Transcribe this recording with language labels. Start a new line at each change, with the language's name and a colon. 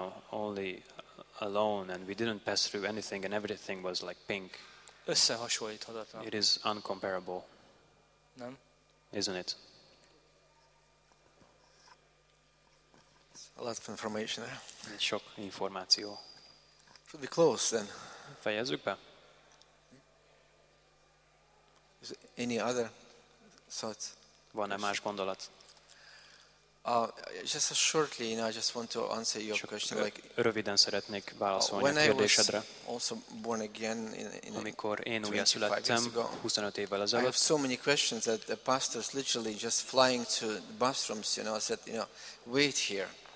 English: Only alone and we didn't pass through anything and everything was like pink.
Hungarian: Összehasonlíthatatlan.
English: It is uncomparable.
Hungarian: Nem?
English: Isn't it? A lot of information there.
Hungarian: Sok információ.
English: Should we close then?
Hungarian: Fejezzük be.
English: Is there any other thoughts?
Hungarian: Van-e más gondolat?
English: Just shortly, you know, I just want to answer your question. Like,
Hungarian: röviden szeretnék válaszolni a kérdésedre.
English: Also born again in
Hungarian: amikor én újjászülettem 25 évvel ezelőtt.
English: I have so many questions that the pastors literally just flying to the bathrooms, you know, said, you know, wait here.